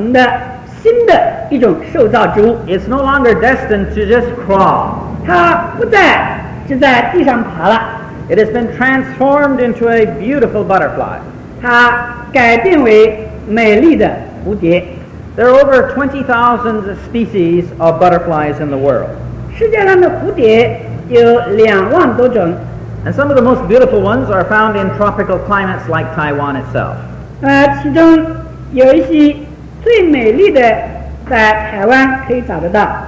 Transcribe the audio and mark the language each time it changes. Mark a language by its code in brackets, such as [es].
[zh] 然后从一个肉冻样的那个状态的物质啊，就变成了完全不同的新的一种受造之物。 [en] It's no longer destined to just crawl. [zh] 它不再 [en] It has been transformed into a beautiful butterfly. [zh] 它改变为美丽的蝴蝶。 [en] There are over 20,000 species of butterflies in the world. [zh] 世界上的蝴蝶有2万多种。 [en] And some of the most beautiful ones are found in tropical climates like Taiwan itself. [zh] 其中有一些最美丽的在台湾可以找得到。